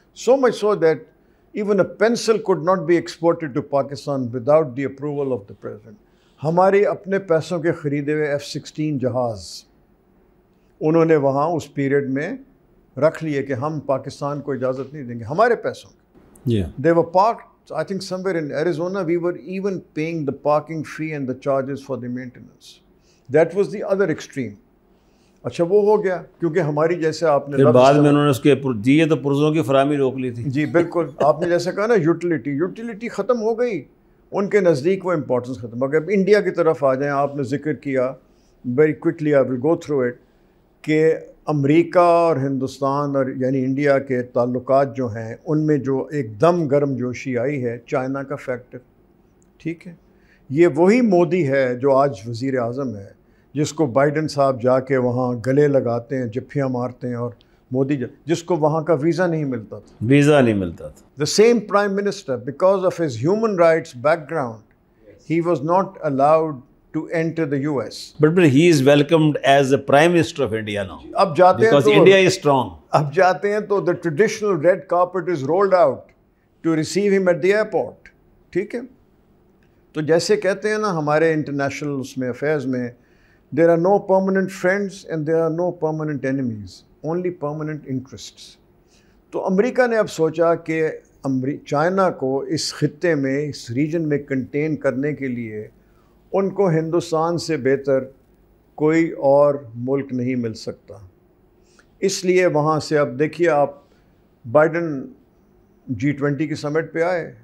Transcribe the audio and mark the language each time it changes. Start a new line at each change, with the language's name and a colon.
English: So much so that even a pencil could not be exported to Pakistan without the approval of the president.
Urdu: ہمارے اپنے پیسوں کے خریدے ہوئے F-16 جہاز انہوں نے وہاں اس پیریڈ میں رکھ لیے کہ ہم پاکستان کو اجازت نہیں دیں گے ہمارے پیسوں کی.
English: They were parked I think somewhere in Arizona, we were even paying the parking fee and the charges for the maintenance. That was the other extreme.
Urdu: اچھا وہ ہو گیا، کیونکہ ہماری جیسے آپ نے بعد میں انہوں نے اس کے دیے تو پرزوں کی فراہمی روک لی تھی. جی بالکل، آپ نے جیسے کہا نا یوٹیلیٹی، یوٹیلیٹی ختم ہو گئی ان کے نزدیک، وہ امپورٹنس ختم ہو گئی. اب انڈیا کی طرف آ جائیں، آپ نے ذکر کیا very quickly,
English: I will go through it,
Urdu: کہ امریکہ اور ہندوستان اور یعنی انڈیا کے تعلقات جو ہیں ان میں جو ایک دم گرم جوشی آئی ہے، چائنا کا فیکٹر. ٹھیک ہے، یہ وہی مودی ہے جو آج وزیر اعظم ہے، جس کو بائیڈن صاحب جا کے وہاں گلے لگاتے ہیں، جفیاں مارتے ہیں، اور مودی جس کو وہاں کا ویزا نہیں ملتا تھا، ویزا نہیں ملتا تھا.
English: The same prime minister because of his human rights background he was not allowed to enter the US. But he is welcomed as the Prime Minister of India now.
Urdu: اب جاتے ہیں تو
English: because India is strong.
Urdu: اب جاتے ہیں تو
English: the traditional red carpet is rolled out to receive him at the airport.
Urdu: ٹھیک ہے، تو جیسے کہتے ہیں نا ہمارے انٹرنیشنل اس میں افیئرز میں،
English: There are no permanent friends and there are no permanent enemies, only permanent interests.
Urdu: تو امریکہ نے اب سوچا کہ چائنا کو اس خطے میں، اس ریجن میں کنٹین کرنے کے لیے ان کو ہندوستان سے بہتر کوئی اور ملک نہیں مل سکتا، اس لیے وہاں سے اب دیکھیے آپ بائیڈن G20 کی سمٹ پہ آئے،